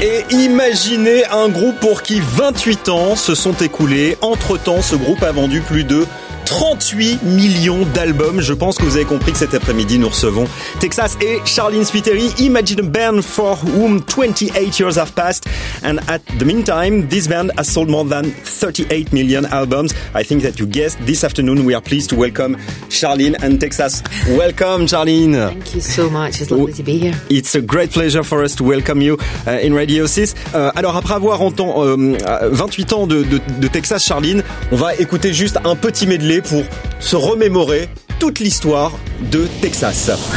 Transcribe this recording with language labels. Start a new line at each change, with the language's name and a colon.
French: Et imaginez un groupe pour qui 28 ans se sont écoulés. Entre-temps, ce groupe a vendu plus de 38 millions d'albums. Je pense que vous avez compris que cet après-midi, nous recevons Texas et Charline Spiteri.
English: Imagine a band for whom 28 years have passed. And at the meantime, this band has sold more than 38 million albums. I think that you guessed. This afternoon, we are pleased to welcome Charline and Texas. Welcome, Charline. Thank you so much. It's lovely to be here. It's a great pleasure for us to welcome you in Radio 6.
French: Alors, après avoir entendu 28 ans de Texas, Charline, on va écouter juste un petit medley pour se remémorer toute l'histoire de Texas.